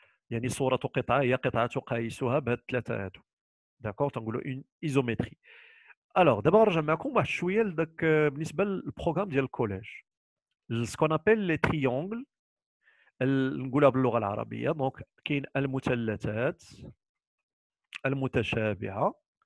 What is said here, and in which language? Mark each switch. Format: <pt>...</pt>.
<ar>يعني صورة قطعة هي قطعة تقيسها بثلاثة هادو.</ar> <fr>D'accord,</fr> <ar>تنقولوا</ar> <fr>une isométrie. Alors, d'abord,</fr> <ar>رجع معكم واحد شوية داك بالنسبة للبروغرام ديال الكوليج.</ar> <fr>Ce qu'on appelle les triangles,</fr> <ar>نقولها باللغة العربية, donc كاين المثلثات المتشابعة.</ar>